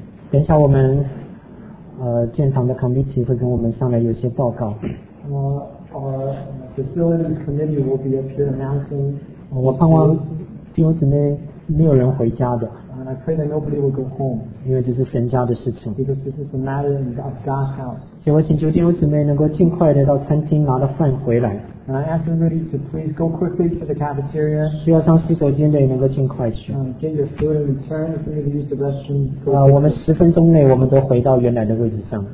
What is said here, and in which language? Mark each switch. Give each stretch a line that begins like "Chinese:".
Chinese: 等一下，我们建堂的 committee 会跟我们上来有些报告。
English: Our facilities committee will be up here announcing.
Chinese: 我盼望弟兄姊妹没有人回家的。
English: And I pray that nobody will go home.
Chinese: 因为这是神家的事情。
English: Because this is a matter of God's house.
Chinese: 请我请求弟兄姊妹能够尽快的到餐厅拿了饭回来。
English: And I ask everybody to please go quickly to the cafeteria.
Chinese: 需要上洗手间的也能够尽快去。
English: Get your food and return if you need to use the restroom.
Chinese: 我们十分钟内我们都回到原来的位置上。